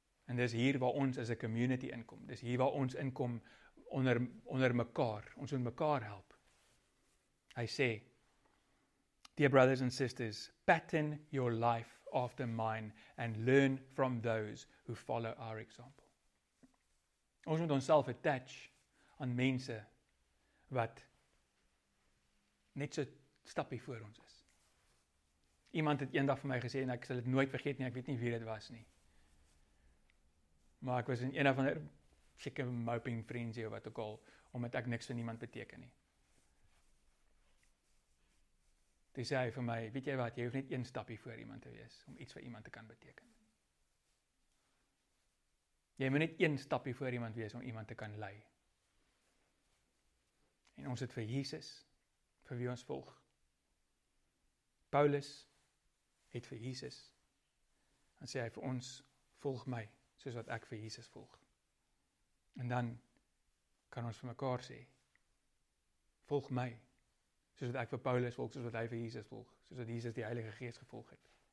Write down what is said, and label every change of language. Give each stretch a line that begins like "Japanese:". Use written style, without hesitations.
Afrikaans: En dis hier waar ons as 'n community inkom. Dis hier waar ons inkom onder mekaar, ons moet mekaar help.
English: Hy sê, dear brothers and sisters, pattern your life after mine and learn from those who follow our example.
Afrikaans: Ons moet onsself attach aan mense wat net so stappie voor ons is. Iemand het eendag vir my gesê, en ek sal dit nooit vergeet nie, ek weet nie wie dit was nie. Maar ek was in een van die seker moping frenzy of wat ook al, omdat ek niks vir niemand beteken nie. Toe sê hy vir my, weet jy wat, jy hoef net een stapje voor iemand te wees, om iets vir iemand te kan beteken. Jy moet net een stapje voor iemand wees, om iemand te kan lei. En ons het vir Jesus, vir wie ons volg. Paulus het vir Jesus, en sê hy vir ons, volg my, soos wat ek vir Jesus volg. En dan kan ons vir mekaar sê, volg my, soos wat ek vir Paulus volg, soos wat hy vir Jesus volg, soos wat Jesus die Heilige Gees gevolg het.